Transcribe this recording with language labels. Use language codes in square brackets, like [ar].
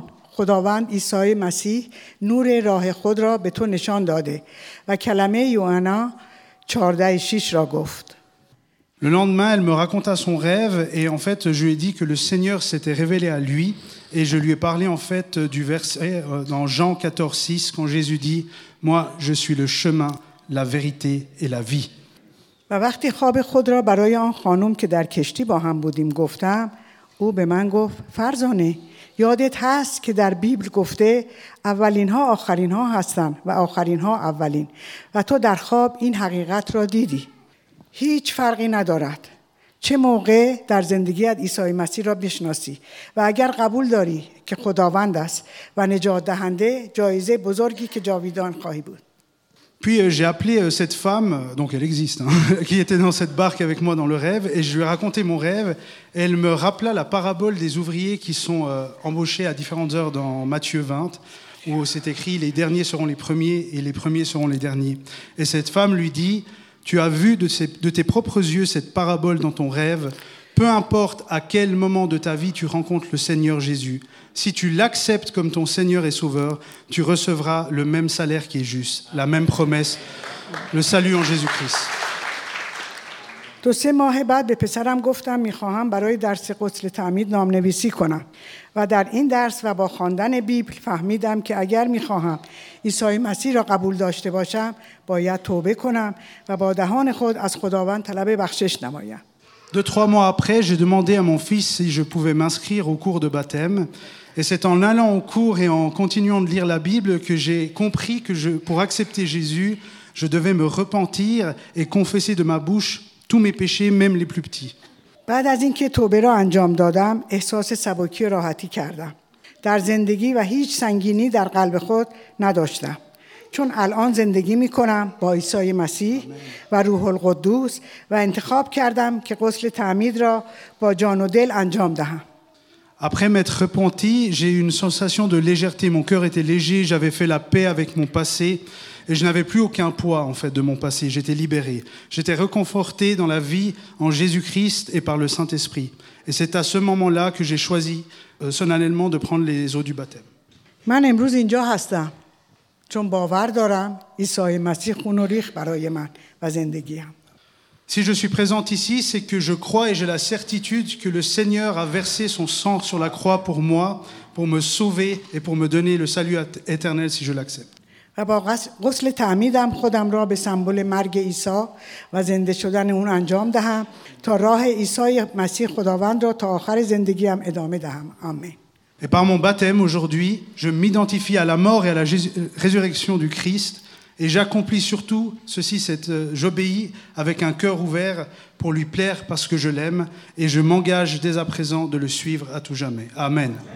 [fa] خداوند عیسی مسیح نور راه خود را به تو نشان داده و کلمه یوحنا 14:6 را گفت. [fr] Le lendemain, elle me raconta son rêve et en fait, je lui ai dit que le Seigneur s'était révélé à lui et je lui ai parlé en fait du verset dans Jean 14:6 quand Jésus dit « Moi, je suis le chemin, la vérité et la vie. » [fa] و وقتی خواب خود را برای آن خانم که در کشتی با هم بودیم گفتم او به من گفت فرزانه یادت هست که در بیبل گفته اولین ها آخرین ها هستن و آخرین ها اولین و تو در خواب این حقیقت را دیدی. هیچ فرقی ندارد چه موقع در زندگیت عیسی مسیح را بشناسی و اگر قبول داری که خداوند است و نجات دهنده جایزه بزرگی که جاویدان خواهی بود. [fr] Puis j'ai appelé cette femme, donc elle existe, hein, qui était dans cette barque avec moi dans le rêve, et je lui ai raconté mon rêve. Elle me rappela la parabole des ouvriers qui sont embauchés à différentes heures dans Matthieu 20, où c'est écrit « Les derniers seront les premiers et les premiers seront les derniers ». Et cette femme lui dit « Tu as vu de tes propres yeux cette parabole dans ton rêve. Peu importe à quel moment de ta vie tu rencontres le Seigneur Jésus, si tu l'acceptes comme ton Seigneur et Sauveur, tu recevras le même salaire qui est juste, la même promesse, le salut en Jésus-Christ. » [fa] دو سه ماه بعد به پسرم گفتم میخواهم برای درس قسل تعمید نام نویسی کنم و در این درس و با خواندن بیبل فهمیدم که اگر میخواهم عیسی مسیح را قبول داشته باشم باید توبه کنم و با دهان خود از خداوند طلب بخشش نمایم. [fr] Deux, trois mois après, j'ai demandé à mon fils si je pouvais m'inscrire au cours de baptême. Et c'est en allant au cours et en continuant de lire la Bible que j'ai compris que pour accepter Jésus, je devais me repentir et confesser de ma bouche tous mes péchés, même les plus petits. [fa] بعد از اینکه توبه را انجام دادم، احساس سبکی و راحتی کردم. در زندگی و هیچ سنگینی در قلب خود نداشتم. چون الان زندگی می کنم با عیسی مسیح و روح القدس و انتخاب کردم که غسل تعمید را با جان و دل انجام دهم. [fr] Après m'être repenti, j'ai eu une sensation de légèreté. Mon cœur était léger, j'avais fait la paix avec mon passé et je n'avais plus aucun poids en fait de mon passé. J'étais libéré. J'étais reconforté dans la vie en Jésus-Christ et par le Saint-Esprit. Et c'est à ce moment-là que j'ai choisi solennellement de prendre les eaux du baptême. [fa] من امروز اینجا هستم چون باور دارم عیسی مسیح خون و ریخت برای من و زندگیم. [fr] Si je suis présente ici, c'est que je crois et j'ai la certitude que le Seigneur a versé son sang sur la croix pour moi, pour me sauver et pour me donner le salut éternel si je l'accepte. [fa] و با غسل تعمیدم خودم را به سمبول مرگ عیسی و زنده شدن اون انجام دهم تا راه عیسی مسیح خداوند را تا آخر زندگیم ادامه دهم. آمین. [fr] Et par mon baptême aujourd'hui, je m'identifie à la mort et à la résurrection du Christ et j'accomplis surtout ceci, j'obéis avec un cœur ouvert pour lui plaire parce que je l'aime et je m'engage dès à présent de le suivre à tout jamais. Amen.